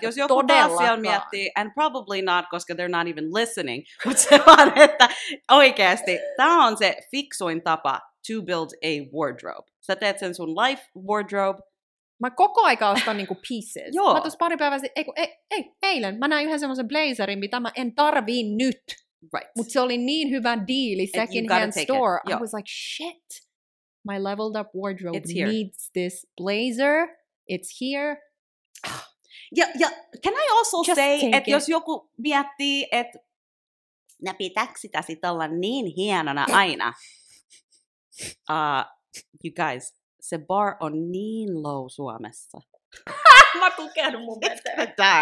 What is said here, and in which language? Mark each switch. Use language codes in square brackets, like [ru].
[fi] jos joku taas siellä miettii, [en] and probably not, [fi] koska [en] they're not even listening, [fi] mutta se vaan, että oikeasti, tää on se fiksuin tapa [en] to build a wardrobe. [fi] Sä teet sen sun [en] life wardrobe. [fi] Mä koko aika ostan niinku [en] pieces. [fi] Joo. Mä tossa pari päivää sitten, eilen mä näin yhden semmoisen blazerin, mitä mä en tarvii nyt. [en] Right. [fi] Mut se oli niin hyvä deal, [en] second hand store. I was like, shit, my leveled up wardrobe needs this blazer. It's here. [fi] Ja [en] can I also just say, [fi] että jos joku miettii, että ne pitääkö sitä sit olla niin hienona aina? [en] You guys, [fi] se [en] bar [fi] on niin [en] low [fi] Suomessa. Mä tukehdun mun veteen.